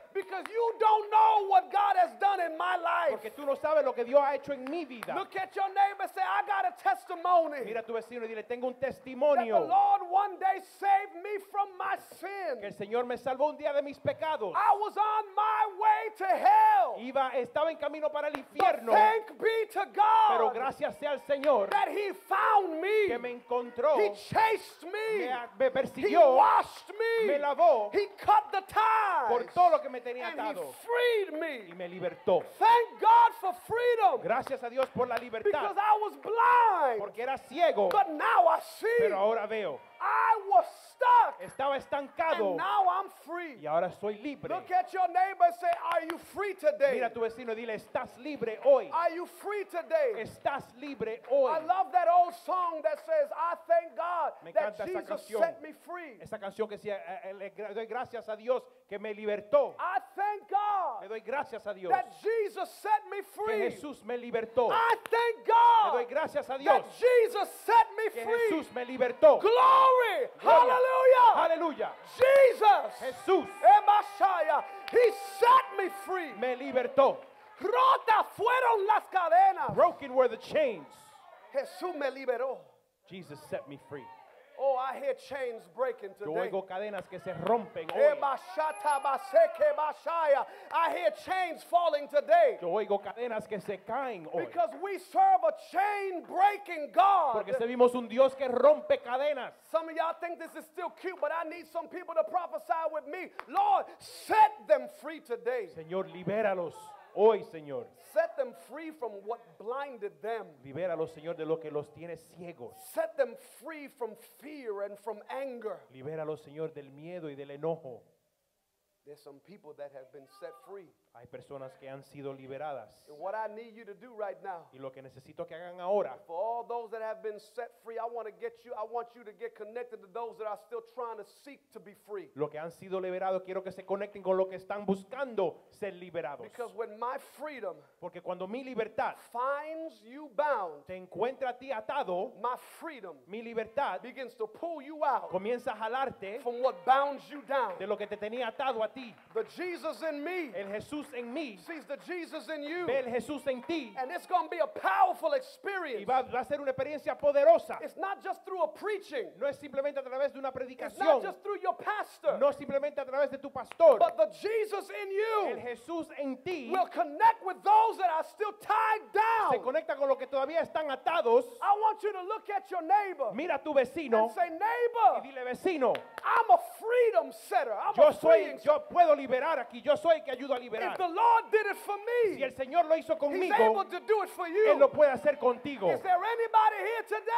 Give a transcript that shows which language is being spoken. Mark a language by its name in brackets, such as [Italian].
[English] Because you don't know what God has done in my life. [Spanish] Porque tú no sabes lo que Dios ha hecho en mi vida. [English] Look at your neighbor and say, I got a testimony. [Spanish] Mira a tu vecino y dile, tengo un testimonio. [English] That the Lord one day saved me from my sin. [Spanish] Que el Señor me salvó un día de mis pecados. [English] I was on my way to hell. [Spanish] Iba, estaba en camino para el infierno. [English] But thank be to God. [Spanish] Pero gracias sea al Señor. [English] That he found me. [Spanish] Que me encontró. [English] He chased me. [Spanish] Me persiguió. [English] He washed me. [Spanish] Me lavó. [English] He cut the ties. [Spanish] Por todo lo que me tenía [English] and [Spanish] atado. [English] And he freed me. [Spanish] Y me libertó. [English] Thank God for freedom. [Spanish] Gracias a Dios por la libertad. [English] Because I was blind. [Spanish] Porque era ciego. [English] But now I see. [Spanish] Pero ahora veo. [English] I was stuck. [Spanish] Estaba estancado. [English] And now I'm free. [Spanish] Y ahora soy libre. [English] Look at your neighbor and say, are you free today? [Spanish] Mira a tu vecino y dile, ¿estás libre hoy? [English] Are you free today? [Spanish] ¿Estás libre hoy? [English] I love that old song that says, I thank God [Spanish] me encanta [English] that [Spanish] esa [English] Jesus Set me free. [Spanish] Esa canción que decía, le doy gracias a Dios que me libertó. [English] I thank God. [Spanish] Le doy gracias a Dios. [English] That Jesus set me free. [Spanish] Que Jesús me libertó. [English] I thank God. [Spanish] Le doy gracias a Dios. [English] That Jesus set me free. [Spanish] Que Jesús me libertó. [English] Glory. Hallelujah. Hallelujah. Jesus. [Spanish] Jesús. [English] Emashaya. He set me free. [Spanish] Me libertó. Rotas fueron las cadenas. [English] Broken were the chains. [Spanish] Jesús me liberó. [English] Jesus set me free. Oh, I hear chains breaking today. [Spanish] Yo oigo cadenas que se rompen hoy. [English] I hear chains falling today. [Spanish] Yo oigo cadenas que se caen hoy. [English] Because we serve a chain breaking God. [Spanish] Porque servimos un Dios que rompe cadenas. [English] Some of y'all think this is still cute, but I need some people to prophesy with me. Lord, set them free today. [Spanish] Señor, libéralos. Hoy, Señor. [English] Set them free from what blinded them. [Spanish] Libéralos, Señor, de lo que los tiene ciegos. [English] Set them free from fear and from anger. [Spanish] Libéralos, Señor, del miedo y del enojo. [English] There's some people that have been set free. [Spanish] Hay personas que han sido liberadas. [English] And what I need you to do right now. [Spanish] Y lo que necesito que hagan ahora. [English] For all those that have been set free, I want you to get connected to those that are still trying to seek to be free. [Spanish] Lo que han sido liberados, quiero que se conecten con lo que están buscando ser liberados. [English] Because when my freedom. [Spanish] Porque cuando mi libertad. [English] Finds you bound. [Spanish] Te encuentra a ti atado. [English] My freedom. [Spanish] Mi libertad. [English] Begins to pull you out. [Spanish] Comienza a jalarte. [English] From what bounds you down. [Spanish] De lo que te tenía atado a ti. [English] The Jesus in me. [Spanish] El Jesús. En mí. [English] Sees the Jesus in you. [Spanish] Ve el Jesús en ti. [English] And it's going to be a powerful experience. [Spanish] Y va a ser una experiencia poderosa. [English] It's not just through a preaching. [Spanish] No es simplemente a través de una predicación. [English] It's not just through your pastor. [Spanish] No simplemente a través de tu pastor. [English] But the Jesus in you. [Spanish] El Jesús en ti. [English] Will connect with those that are still tied down. [Spanish] Se conecta con los que todavía están atados. [English] I want you to look at your neighbor. [Spanish] Mira a tu vecino. [English] And say, neighbor. [Spanish] Y dile, vecino. [English] I'm a freedom setter. I'm [Spanish] yo [English] a [Spanish] soy, yo puedo liberar aquí. Yo soy el que ayuda a liberar. [English] If the Lord did it for me, [Spanish] si el Señor lo hizo conmigo, [English] he's able to do it for you. [Spanish] Él lo puede hacer contigo. [English] Is there anybody here today?